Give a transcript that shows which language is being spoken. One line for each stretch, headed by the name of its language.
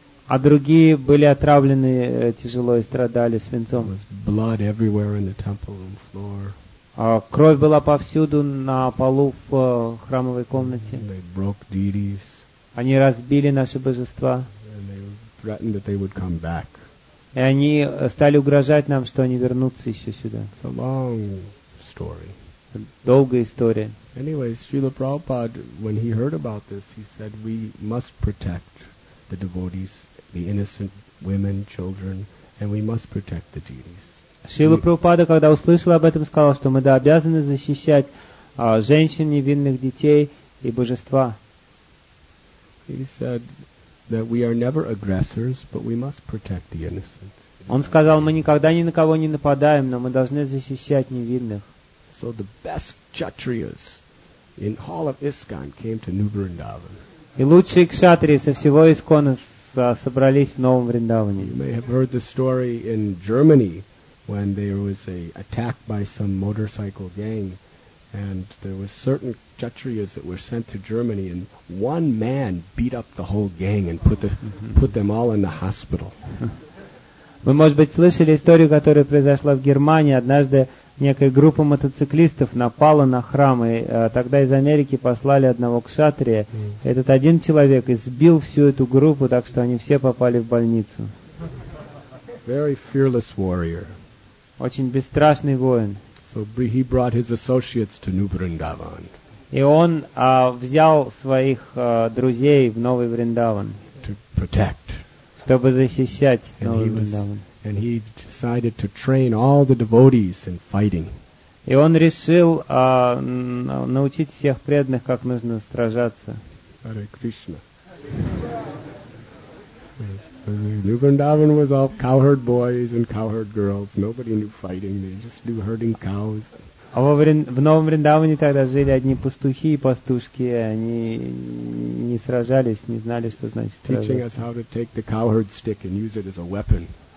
Russian: А другие были отравлены тяжело и страдали свинцом.
English: There was blood everywhere in the temple room floor.
Russian: Кровь была повсюду на полу в храмовой комнате.
English: They broke deities.
Russian: Они разбили наши божества.
English: And they threatened that they would come back.
Russian: И они стали угрожать нам, что они вернутся еще сюда.
English: It's a long story.
Russian: Долгая история.
English: Anyway, Srila Prabhupada, when he heard about this, he said, we must protect the devotees, the innocent women, children, and we must protect the deities.
Russian: Шрила Прабхупада, когда услышал об этом, сказал, что мы обязаны защищать женщин, невинных детей и божества.
English: He said that we are never aggressors, but we must protect the innocent.
Russian: Он сказал, мы никогда ни на кого не нападаем, но мы должны защищать невинных.
English: So the best kshatriyas in all of ISKCON came to New Vrindavan.
Russian: И лучшие кшатри со всего Искона собрались в Новом Вриндаване.
English: You may have heard the story in Germany when there was an attack by some motorcycle gang, and there were certain kshatriyas that were sent to Germany, and one man beat up the whole gang and put them all in the hospital.
Russian: Вы, может быть, слышали историю, которая произошла в Германии. Однажды некая группа мотоциклистов напала на храм, и тогда из Америки послали одного кшатрия. Этот один человек избил всю эту группу, так что они все попали в больницу.
English: Very fearless warrior.
Russian: Очень бесстрашный воин.
English: So he brought his associates to New Vrindavan.
Russian: И он взял своих друзей в Новый Вриндаван.
English: To protect.
Russian: Чтобы защищать Новый Вриндаван.
English: And he decided to train all the devotees in fighting.
Russian: И он решил научить всех преданных, как нужно сражаться.
English: Hare Krishna. New Vrindavan was all cowherd boys and cowherd girls. Nobody knew fighting. They just knew herding cows.
Russian: А в Новом Вриндаване тогда жили одни пастухи и пастушки. Они не сражались, не знали, что значит сражаться.
English: Teaching us how to take the cowherd stick and use it as a weapon.